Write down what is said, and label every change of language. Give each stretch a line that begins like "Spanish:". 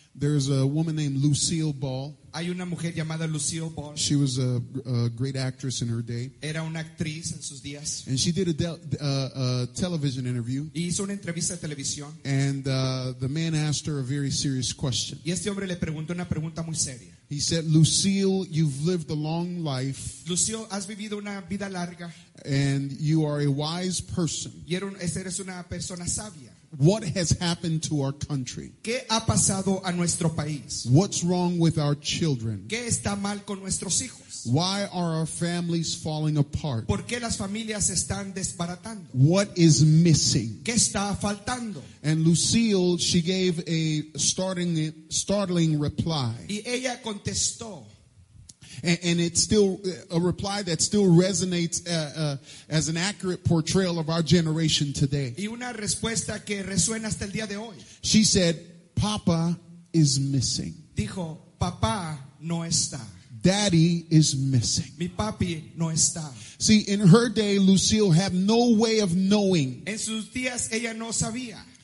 English: There's a woman named Lucille Ball.
Spanish: Hay una mujer llamada Lucille Ball.
English: She was a great actress in her day.
Spanish: Era una actriz en sus días.
English: And she did a television interview.
Spanish: Y hizo una entrevista de televisión.
English: And the man asked her a very serious question.
Spanish: Y este hombre le preguntó una pregunta muy seria.
English: He said, Lucille, you've lived a long life.
Spanish: Lucille, has vivido una vida larga.
English: And you are a wise person.
Spanish: Y eres una persona sabia.
English: What has happened to our country?
Spanish: ¿Qué ha pasado a nuestro país?
English: What's wrong with our children?
Spanish: ¿Qué está mal con nuestros hijos?
English: Why are our families falling apart?
Spanish: ¿Por qué las familias están desbaratando?
English: What is missing?
Spanish: ¿Qué está faltando?
English: And Lucille, she gave a startling reply.
Spanish: Y ella contestó.
English: And it's still a reply that still resonates as an accurate portrayal of our generation today.
Spanish: Y una respuesta que resuena hasta el día de hoy.
English: She said, Papa is missing.
Spanish: Dijo, Papá no está.
English: Daddy is missing.
Spanish: Mi papi no está.
English: See, in her day, Lucille had no way of knowing.
Spanish: En sus días, ella no sabía.